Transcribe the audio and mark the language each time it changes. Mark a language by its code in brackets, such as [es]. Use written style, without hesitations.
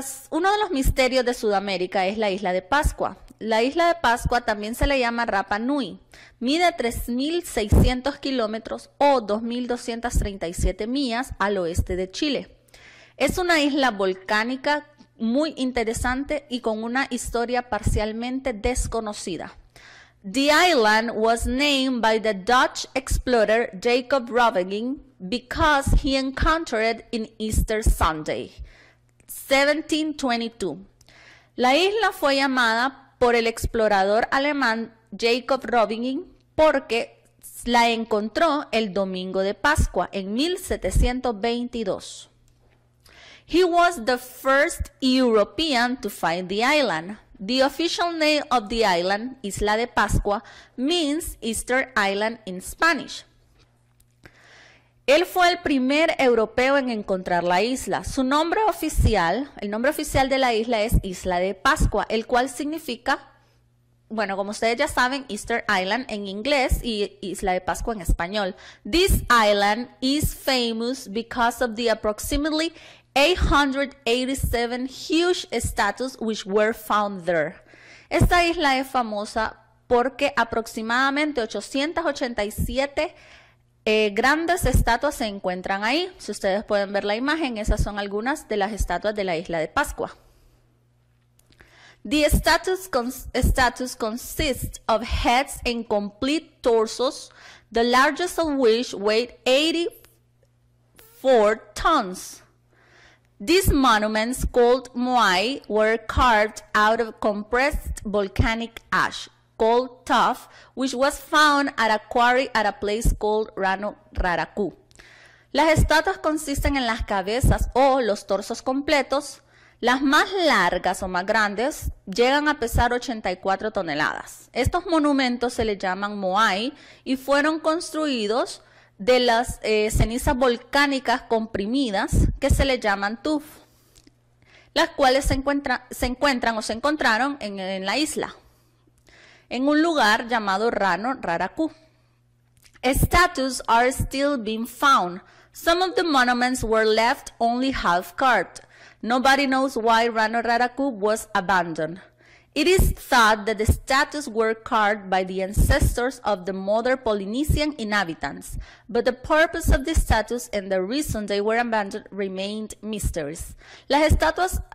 [es] Uno de los misterios de Sudamérica es la Isla de Pascua. La Isla de Pascua también se le llama Rapa Nui. Mide 3,600 kilómetros o 2,237 millas al oeste de Chile. Es una isla volcánica muy interesante y con una historia parcialmente desconocida. [en] The island was named by the Dutch explorer Jacob Roveging because he encountered it in Easter Sunday, 1722. [es] La isla fue llamada por el explorador alemán Jacob Roveging porque la encontró el domingo de Pascua en 1722. [en] He was the first European to find the island. The official name of the island, Isla de Pascua, means Easter Island in Spanish. [es] Él fue el primer europeo en encontrar la isla. Su nombre oficial, el nombre oficial de la isla es Isla de Pascua, el cual significa, bueno, como ustedes ya saben, Easter Island en inglés y Isla de Pascua en español. [en] This island is famous because of the approximately 887 huge statues which were found there. [es] Esta isla es famosa porque aproximadamente 887 grandes estatuas se encuentran ahí. Si ustedes pueden ver la imagen, esas son algunas de las estatuas de la Isla de Pascua. [en] The statues, statues consist of heads and complete torsos, the largest of which weighed 84 tons. These monuments, called moai, were carved out of compressed volcanic ash, called tuff, which was found at a quarry at a place called Rano Raraku. [es] Las estatuas consisten en las cabezas o los torsos completos. Las más largas o más grandes llegan a pesar 84 toneladas. Estos monumentos se les llaman moai y fueron construidos de las cenizas volcánicas comprimidas que se les llaman tuff, las cuales se encontraron en la isla, en un lugar llamado Rano Raraku. [en] Statues are still being found. Some of the monuments were left only half carved. Nobody knows why Rano Raraku was abandoned. It is thought that the statues were carved by the ancestors of the modern Polynesian inhabitants, but the purpose of the statues and the reason they were abandoned remained mysterious. [es] Las estatuas